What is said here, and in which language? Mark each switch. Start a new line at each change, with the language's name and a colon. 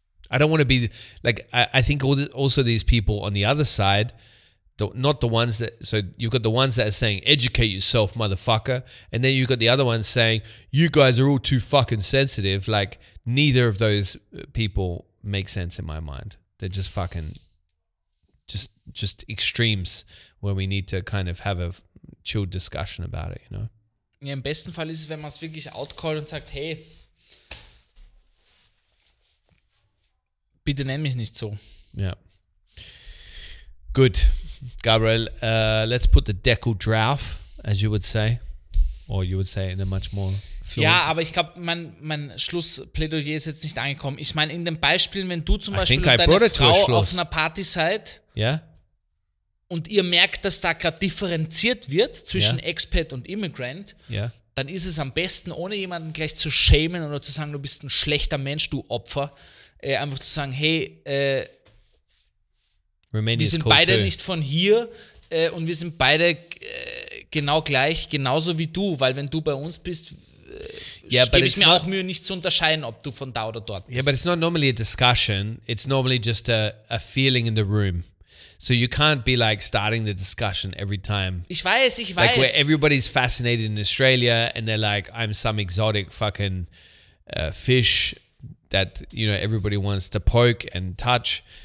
English: I don't want to be like, I think also these people on the other side, So you've got the ones that are saying, educate yourself, motherfucker. And then you've got the other ones saying, you guys are all too fucking sensitive. Like, neither of those people make sense in my mind. They're just fucking, just extremes where we need to kind of have a chilled discussion about it, you know?
German: Ja, im besten Fall ist es, wenn man es wirklich outcallt und sagt, hey, bitte nenn mich nicht so.
English: Yeah. Good. Gabriel, let's put the
German: Deckel drauf,
English: as you would say, or you would say in a much more Flo.
German: Ja, aber ich glaube, mein Schlussplädoyer ist jetzt nicht angekommen. Ich meine, in den Beispielen, wenn du zum Beispiel mit deiner Frau auf einer Party seid,
English: yeah,
German: und ihr merkt, dass da gerade differenziert wird zwischen, yeah, Expat und Immigrant,
English: yeah,
German: dann ist es am besten, ohne jemanden gleich zu schämen oder zu sagen, du bist ein schlechter Mensch, du Opfer, einfach zu sagen, hey, wir sind beide nicht von hier und wir sind beide genau gleich, genauso wie du, weil wenn du bei uns bist, yeah, gebe ich mir auch Mühe, nicht zu unterscheiden, ob du von da oder dort bist.
English: Yeah, but it's not normally a discussion, it's normally just a feeling in the room. So you can't be like starting the discussion every time.
German: Ich weiß.
English: Like where everybody's fascinated in Australia and they're like, I'm some exotic fucking fish that, you know, everybody wants to poke and touch.